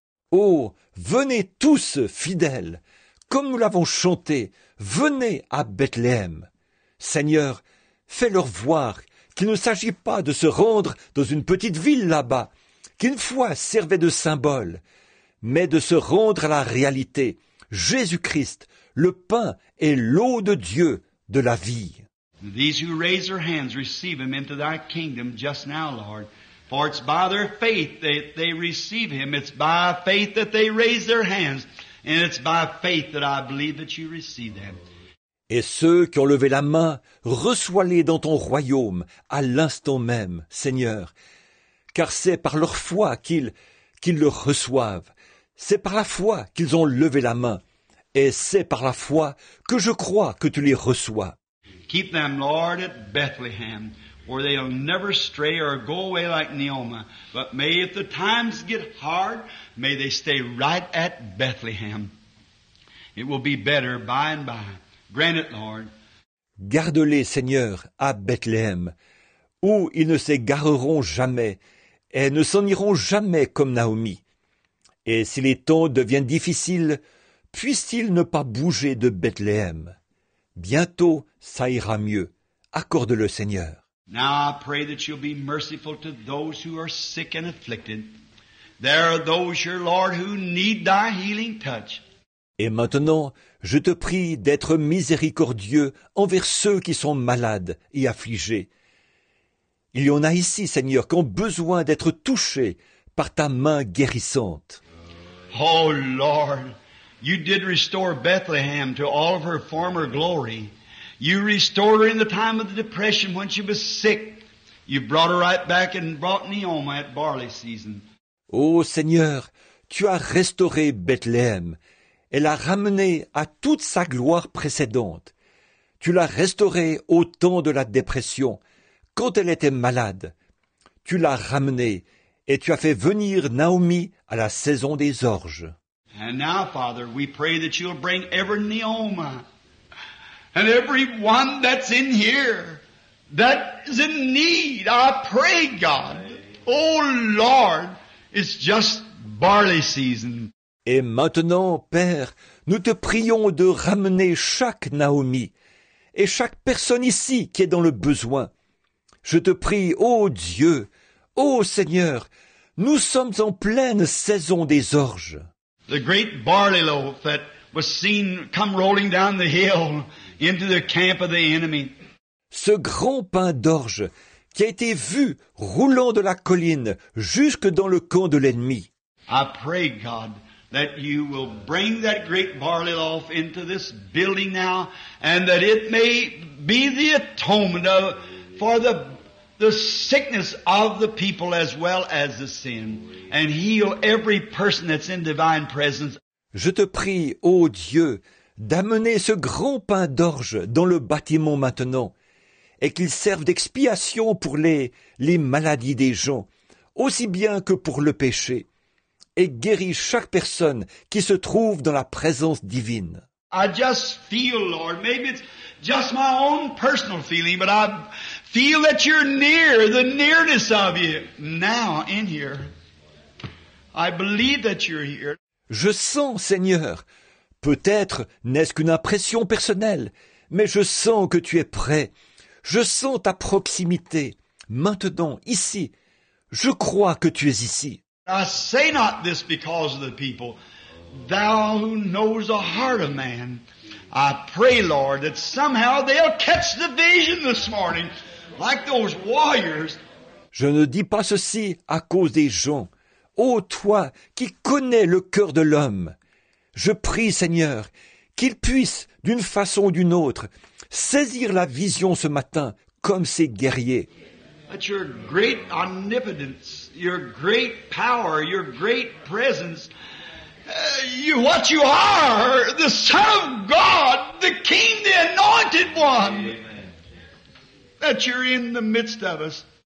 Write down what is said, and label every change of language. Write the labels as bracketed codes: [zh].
[fr] Oh, venez tous fidèles, comme nous l'avons chanté, venez à Bethléem. Seigneur, fais-leur voir qu'il ne s'agit pas de se rendre dans une petite ville là-bas, qu'une fois servait de symbole, mais de se rendre à la réalité, Jésus-Christ, le pain et l'eau de Dieu de la vie. [en] These who raise their hands receive him into thy kingdom just now, Lord. For it's by their faith that they receive him. It's by faith that they raise their hands. And it's by faith that I believe that you receive them. [fr] Et ceux qui ont levé la main, reçois-les dans ton royaume à l'instant même, Seigneur. Car c'est par leur foi qu'ils le reçoivent. C'est par la foi qu'ils ont levé la main, et c'est par la foi que je crois que tu les reçois. [en] Keep them, Lord, at Bethlehem, where they'll never stray or go away like Naomi. But may, if the times get hard, may they stay right at Bethlehem. It will be better by and by. Grant it, Lord. [fr] Garde-les, Seigneur, à Bethlehem, où ils ne s'égareront jamais et ne s'en iront jamais comme Naomi. Et si les temps deviennent difficiles, puissent-ils ne pas bouger de Bethléem? Bientôt, ça ira mieux. Accorde-le, Seigneur. [en] Now I pray that you'll be merciful to those who are sick and afflicted. There are those, your Lord, who need thy healing touch. [fr] Et maintenant, je te prie d'être miséricordieux envers ceux qui sont malades et affligés. Il y en a ici, Seigneur, qui ont besoin d'être touchés par ta main guérissante. [en] Oh, Lord, you did restore Bethlehem to all of her former glory. You restored her in the time of the depression when she was sick. You brought her right back and brought Naomi at barley season. [fr] Oh, Seigneur, tu as restauré Bethlehem. Elle a ramené à toute sa gloire précédente. Tu l'as restaurée au temps de la dépression, quand elle était malade. Tu l'as ramenée. Et tu as fait venir Naomi à la saison des orges. [en] And now, Father, we pray that you'll bring every Naomi and everyone that's in here that is in need. I pray, God. Oh, Lord, it's just barley season. [fr] Et maintenant, Père, nous te prions de ramener chaque Naomi et chaque personne ici qui est dans le besoin. Je te prie, oh Dieu, oh Seigneur, nous sommes en pleine saison des orges. [en] The great barley loaf that was seen come rolling down the hill into the camp of the enemy. [fr] Ce grand pain d'orge qui a été vu roulant de la colline jusque dans le camp de l'ennemi. [en] I pray, God, that you will bring that great barley loaf into this building now and that it may be the atonement for the sickness of the people as well as the sin, and heal every person that's in divine presence. [fr] Je te prie, ô Dieu, d'amener ce grand pain d'orge dans le bâtiment maintenant, et qu'il serve d'expiation pour les maladies des gens, aussi bien que pour le péché, et guéris chaque personne qui se trouve dans la présence divine. [en] I just feel, Lord, maybe it's just my own personal feeling, but I feel that you're near, the nearness of you, now, in here. I believe that you're here. [fr] Je sens, Seigneur, peut-être n'est-ce qu'une impression personnelle, mais je sens que tu es prêt. Je sens ta proximité, maintenant, ici, je crois que tu es ici. [en] I say not this because of the people. Thou who knows the heart of man, I pray, Lord, that somehow they'll catch the vision this morning, like those warriors. [fr] Je ne dis pas ceci à cause des gens. Ô toi qui connais le cœur de l'homme, je prie, Seigneur, qu'ils puissent, d'une façon ou d'une autre, saisir la vision ce matin comme ces guerriers. [en] But your great omnipotence, your great power, your great presence, what you are, the Son of God, the King, the Anointed One, that you're in the midst of us.